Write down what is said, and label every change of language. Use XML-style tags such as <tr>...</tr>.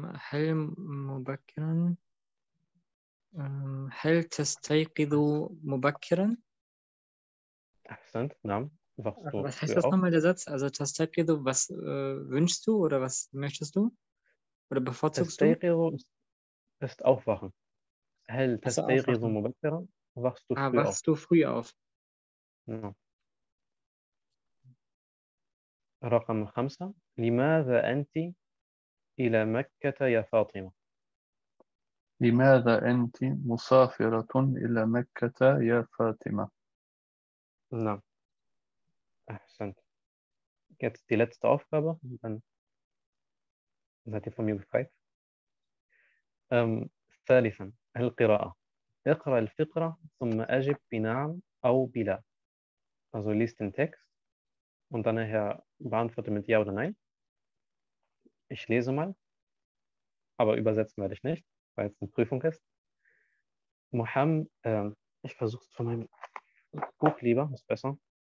<ar>هل مبكرا؟ هل تستيقظ مبكرا؟ أحسنت نعم</ar> <de>wachst du Was heißt früh das auf nochmal der Satz? Also تستيقظ, was wünschst du oder was möchtest du oder bevorzugst du? تستيقظ ist aufwachen هل Also</de> <ar>تستيقظ</ar> <de>aufwachen. مبكرا؟ wachst du Ah, früh auf wachst du früh auf?</de> <ar>نعم رقم خمسة لماذا أنت إلى مكة يا فاطمة؟ لماذا أنت مسافرة إلى مكة يا فاطمة؟ نعم أحسنت. Jetzt die letzte Aufgabe, dann seid ihr von mir befreit. ثالثا القراءة. اقرأ الفقرة ثم أجب بنعم أو بلا.</ar> <de>Also liest den Text und dann nachher beantworte mit Ja oder Nein. Ich lese mal, aber übersetzen werde ich nicht, weil es eine Prüfung ist. Ich versuche es von meinem Buch lieber, ist besser.</de>